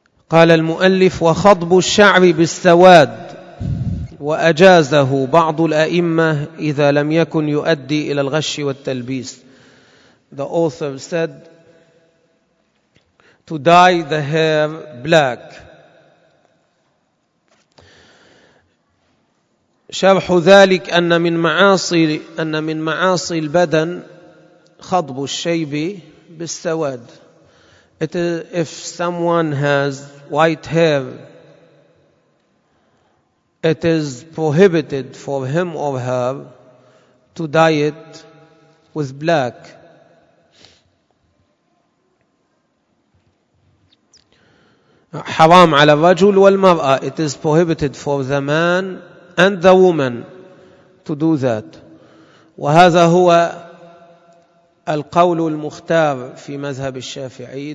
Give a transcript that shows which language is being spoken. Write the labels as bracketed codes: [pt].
[ar] قال المؤلف: وخضب الشعر بالسواد وأجازه بعض الأئمة إذا لم يكن يؤدي إلى الغش والتلبيس. [en] The author said to dye the hair black. [ar] شرح ذلك أن من معاصي البدن خضب الشيب بالسواد. [en] It is, if someone has white hair, it is prohibited for him or her to dye it with black. [ar] حرام على الرجل والمرأة. [en] It is prohibited for the man and the woman to do that. [ar] وهذا هو القول المختار في مذهب الشافعي.